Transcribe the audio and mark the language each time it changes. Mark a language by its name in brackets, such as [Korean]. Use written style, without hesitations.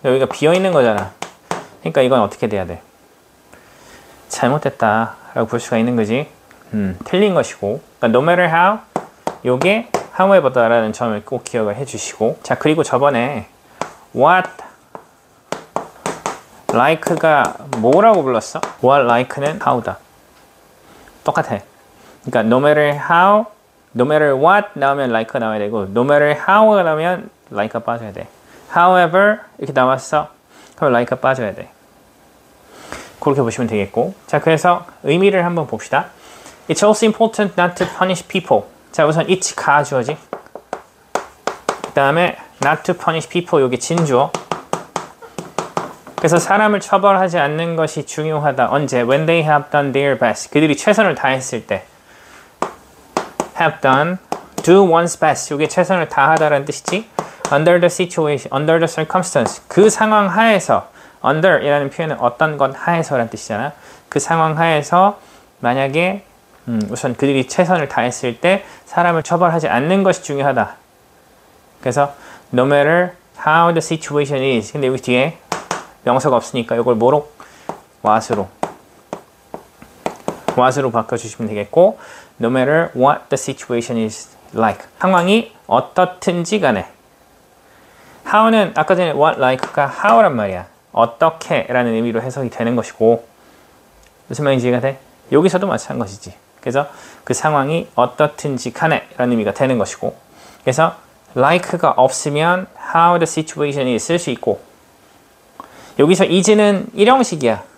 [Korean] 여기가 비어있는 거잖아. 그러니까 이건 어떻게 돼야 돼? 잘못됐다 라고 볼 수가 있는 거지. 틀린 것이고. 그러니까 [English] no matter how, [Korean] 요게 however다라는 점을 꼭 기억을 해주시고. 자, 그리고 저번에 what, like가 뭐라고 불렀어? what, like는 how다. 똑같아. 그러니까 [English] no matter how, no matter what [Korean] 나오면 like가 나와야 되고, [English] no matter how [Korean] 가 나오면 like가 빠져야 돼. however 이렇게 나왔어. 그럼 like가 빠져야 돼. 그렇게 보시면 되겠고. 자, 그래서 의미를 한번 봅시다. [English] It's also important not to punish people. [Korean] 자, 우선 it가 주어지. 그 다음에 [English] not to punish people, [Korean] 여기 진주어. 그래서 사람을 처벌하지 않는 것이 중요하다. 언제? [English] When they have done their best. [Korean] 그들이 최선을 다했을 때. [English] Have done. Do one's best. [Korean] 이게 최선을 다하다라는 뜻이지. [English] Under the situation. Under the circumstance. [Korean] 그 상황 하에서. Under이라는 표현은 어떤 것 하에서라는 뜻이잖아. 그 상황 하에서 만약에 우선 그들이 최선을 다했을 때 사람을 처벌하지 않는 것이 중요하다. 그래서 [English] no matter how the situation is. [Korean] 근데 여기 뒤에 명사가 없으니까 이걸 뭐로? what으로. what으로 바꿔주시면 되겠고, [English] no matter what the situation is like. [Korean] 상황이 어떻든지 간에. how는 아까 전에 what like가 how란 말이야. 어떻게 라는 의미로 해석이 되는 것이고, 무슨 말인지 이해가 돼? 여기서도 마찬가지지. 그래서 그 상황이 어떻든지 간에 라는 의미가 되는 것이고, 그래서 like가 없으면 [English] how the situation is [Korean] 쓸 수 있고, 여기서 is는 일형식이야.